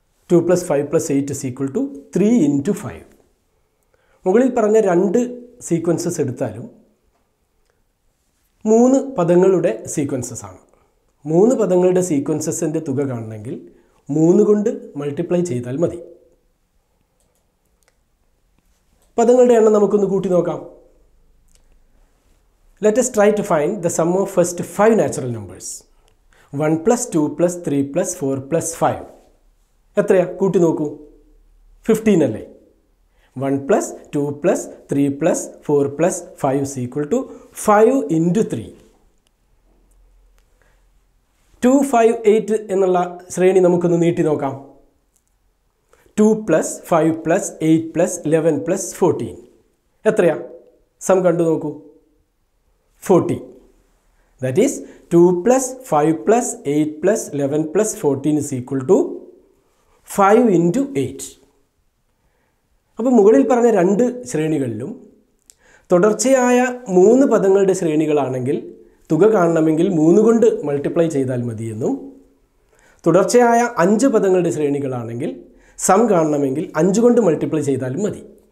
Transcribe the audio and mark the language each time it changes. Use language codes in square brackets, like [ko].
[en] 2 plus 5 plus 8 is equal to 3 into 5. [ml] മുകളിൽ പറഞ്ഞ രണ്ട് സീക്വൻസസ് എടുത്താലും മൂന്ന് പദങ്ങളുടെ സീക്വൻസസ് ആണ്. 3 പദങ്ങളുടെ സീക്വൻസസിന്റെ തുക കാണണമെങ്കിൽ 3 കൊണ്ട് മൾട്ടിപ്ലൈ ചെയ്താൽ മതി. പദങ്ങളുടെ എണ്ണം നമുക്കൊന്ന് കൂട്ടി നോക്കാം. [en] Let us try to find the sum of first 5 natural numbers. 1 plus 2 plus 3 plus 4 plus 5. [ml] എത്രയാ? കൂട്ടി നോക്കൂ. 15 അല്ലേ? [en] 1 plus 2 plus 3 plus 4 plus 5 is equal to 5 into 3. [ml] 2, 5, 8 എന്നുള്ള ശ്രേണി നമുക്കൊന്ന് നീട്ടി നോക്കാം. [en] 2 plus 5 plus 8 plus 11 plus 14. [ml] എത്രയാ? സം കണ്ടു നോക്കൂ. [en] 40. That is 2 plus 5 plus 8 plus 11 plus 14 is equal to 5 into 8. [ml] അപ്പോൾ മുകളിൽ പറഞ്ഞ രണ്ട് ശ്രേണികളിലും തുടർച്ചയായ മൂന്ന് പദങ്ങളുടെ ശ്രേണികളാണെങ്കിൽ തുക കാണണമെങ്കിൽ 3 കൊണ്ട് മൾട്ടിപ്ലൈ ചെയ്താൽ മതിയെന്നും തുടർച്ചയായ 5 പദങ്ങളുടെ ശ്രേണികളാണെങ്കിൽ സം കാണണമെങ്കിൽ 5 കൊണ്ട് മൾട്ടിപ്ലൈ ചെയ്താലും മതി.